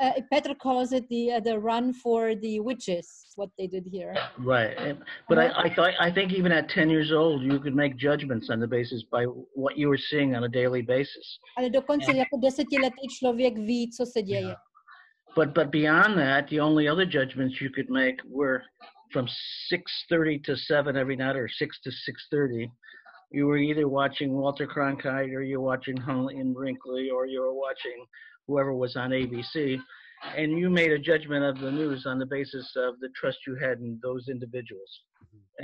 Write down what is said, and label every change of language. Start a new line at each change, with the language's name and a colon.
English: Petr calls it the run for the witches, what they did here. Right, but I think even at 10 years old, you could make judgments on the basis by what you were seeing on a daily basis.
Czech: Ale dokonce jako desetiletý člověk ví, co se děje.
English: Yeah. But beyond that, the only other judgments you could make were from 6:30 to 7 every night, or 6 to 6:30. You were either watching Walter Cronkite, or you're watching Hunley and Brinkley, or you're watching whoever was on ABC, and you made a judgment of the news on the basis of the trust you had in those individuals. Mm-hmm.